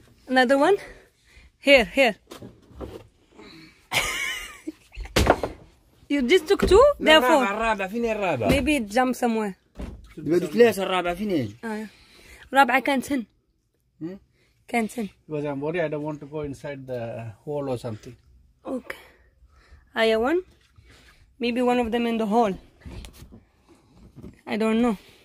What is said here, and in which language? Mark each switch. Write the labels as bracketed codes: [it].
[en] Another one here here You just took two, therefore. [ar] الرابع فين الرابع؟ [en] Maybe it jumped somewhere. [ar] دابا هذيك ثلاثة الرابعة فين هي؟ الرابعة كانت هنا. كانت هنا. [en] Because I'm worried I don't want to go inside the hole or something. Okay. Aya one? Maybe one of them in the hole. I don't know.